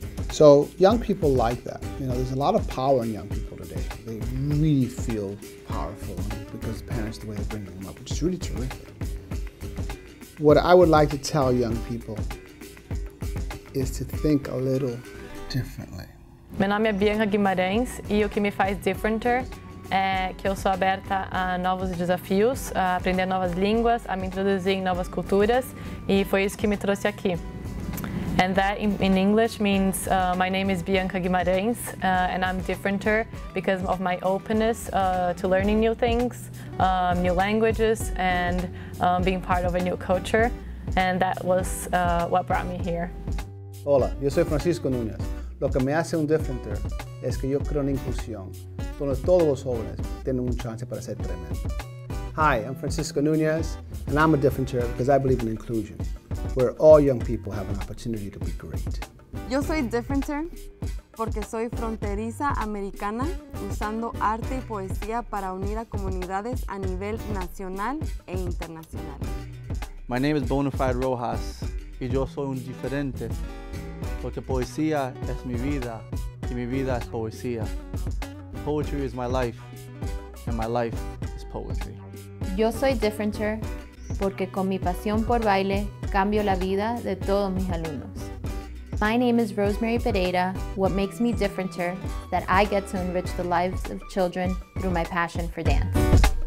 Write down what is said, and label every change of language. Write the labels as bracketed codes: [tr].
[en] So young people like that. You know, there's a lot of power in young people today. They really feel powerful because the parents, the way they're bringing them up, which is really terrific. What I would like to tell young people is to think a little differently. [pt] Meu nome é Bianca Guimaraes e o que me faz diferente é que eu sou aberta a novos desafios, a aprender novas línguas, a me introduzir em novas culturas, e foi isso que me trouxe aqui. [en] And that in English means my name is Bianca Guimaraes and I'm differenter because of my openness to learning new things, new languages, and being part of a new culture. And that was what brought me here. [es] Hola, yo soy Francisco Nunez. Lo que me hace un differenter es que yo creo en inclusión, donde todos los jóvenes tienen un chance para ser tremendo. [en] Hi, I'm Francisco Nunez, and I'm a differenter because I believe in inclusion, where all young people have an opportunity to be great. [es] Yo soy differenter porque soy fronteriza americana usando arte y poesía para unir a comunidades a nivel nacional e internacional. My name is Bonafide Rojas y yo soy un diferente porque poesía es mi vida y mi vida es poesía. [en] Poetry is my life and my life is poetry. [es] Yo soy differenter porque con mi pasión por baile cambio la vida de todos mis alumnos. [en] My name is Rosemary Pereira. What makes me differenter that I get to enrich the lives of children through my passion for dance.